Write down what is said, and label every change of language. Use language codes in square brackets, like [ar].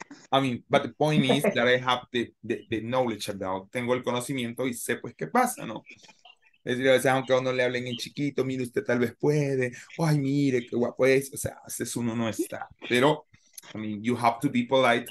[en] I mean, but the point is that I have the knowledge about. [es] Tengo el conocimiento y sé pues qué pasa, ¿no? Es decir, a veces aunque a uno le hablen en chiquito, mire, usted tal vez puede. Ay, mire, qué guapo es. O sea, a veces uno no está. [en] Pero, I mean, you have to be polite.